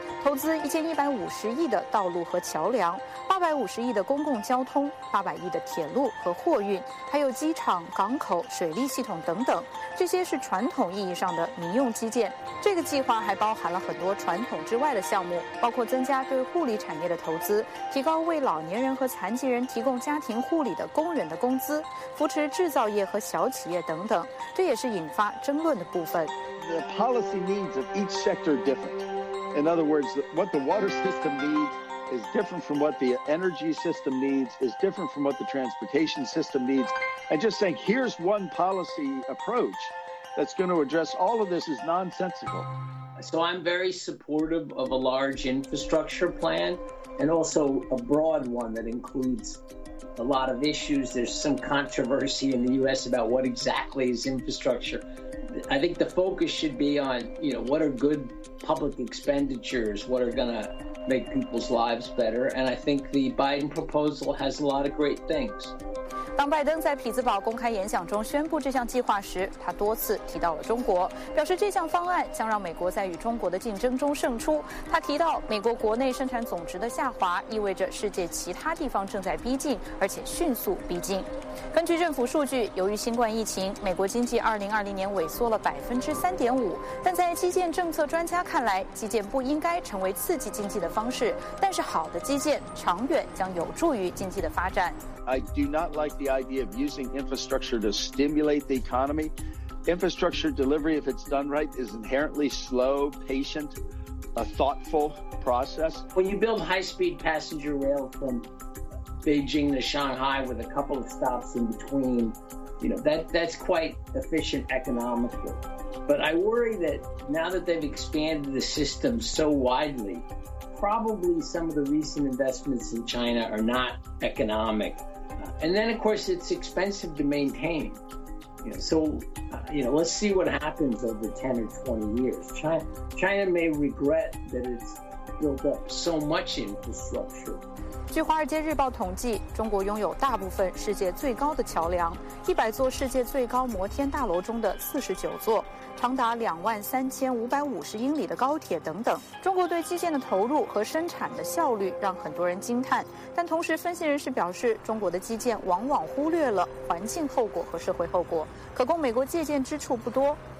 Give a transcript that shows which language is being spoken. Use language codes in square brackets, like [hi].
[zh] 投资1150亿的道路和桥梁，850亿的公共交通，800亿的铁路和货运，还有机场、港口、水利系统等等，这些是传统意义上的民用基建。这个计划还包含了很多传统之外的项目，包括增加对护理产业的投资，提高为老年人和残疾人提供家庭护理的工人的工资，扶持制造业和小企业等等，这也是引发争论的部分。 [en] The policy needs of each sector are different. In other words, what the water system needs is different from what the energy system needs, is different from what the transportation system needs. And just saying, here's one policy approach that's going to address all of this is nonsensical. So I'm very supportive of a large infrastructure plan and also a broad one that includes a lot of issues. There's some controversy in the U.S. about what exactly is infrastructure. I think the focus should be on, you know, what are good public expenditures, what are going to make people's lives better. And I think the Biden proposal has a lot of great things. [zh] 当拜登在匹兹堡公开演讲中宣布这项计划时，他多次提到了中国，表示这项方案将让美国在与中国的竞争中胜出。他提到，美国国内生产总值的下滑意味着世界其他地方正在逼近，而且迅速逼近。根据政府数据，由于新冠疫情，美国经济2020年萎缩了3.5%。但在基建政策专家看来，基建不应该成为刺激经济的方式，但是好的基建长远将有助于经济的发展。 [en] I do not like the idea of using infrastructure to stimulate the economy. Infrastructure delivery, if it's done right, is inherently slow, patient, a thoughtful process. When you build high-speed passenger rail from Beijing to Shanghai with a couple of stops in between, you know, that's quite efficient economically. But I worry that now that they've expanded the system so widely, probably some of the recent investments in China are not economic. And then, of course, it's expensive to maintain. You know, so, let's see what happens over 10 or 20 years. China may regret that it's built up so much infrastructure. [zh] 据《华尔街日报》统计，中国拥有大部分世界最高的桥梁，100座世界最高摩天大楼中的49座，长达23550英里的高铁等等。中国对基建的投入和生产的效率让很多人惊叹，但同时分析人士表示，中国的基建往往忽略了环境后果和社会后果，可供美国借鉴之处不多。